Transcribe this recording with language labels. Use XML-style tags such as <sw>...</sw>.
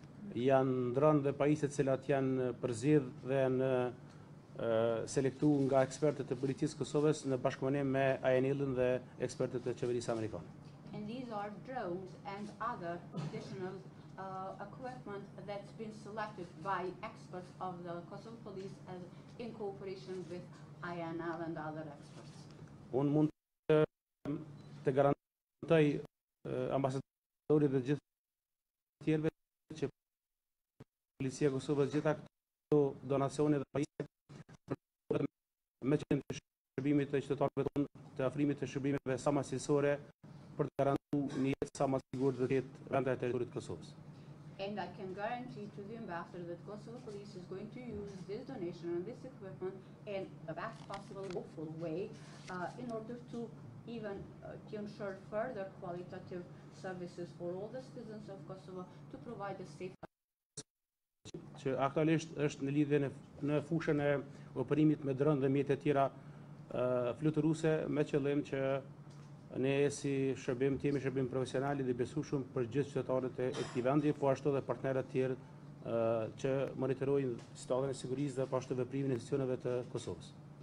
<sq>Janë dronë dhe pajisje të cilat janë përzidh dhe janë selektu nga ekspertët e policisë Kosovës në bashkëpunim me ANL-ën dhe ekspertët e qeverisë amerikane.</sq> <en>And these are drones and other additional equipment that's been selected by experts of the Kosovo police as in cooperation with INL and other experts.</en> <sq>Unë mund të garantoj ambasadorit dhe gjithë tjerëve që policia Kosovës gjitha këto donacione dhe pajisje me qëllim të shërbimit të qytetarëve tonë, të afrimit të shërbimeve sa më cilësore për të garantuar një jetë sa më e sigurt dhe të jetë brenda e territorit të Kosovës.</sq> <en>And I can guarantee to the ambassador that Kosovo police is going to use this donation and this equipment in the best possible hopeful way in order to even to ensure further qualitative services for all the citizens of Kosovo to provide a safe</en> <sq>që aktualisht është në lidhje në fushën e operimit me dronë dhe mjetet tjera fluturuse me qëllim që ne si shërbim të jemi shërbim profesionali dhe besushum për gjithë qytetarët e këtij vendi, po ashtu dhe partnerët tjerë që monitorojnë situatën e sigurisë dhe po ashtu veprimin e institucioneve të Kosovës.</sq>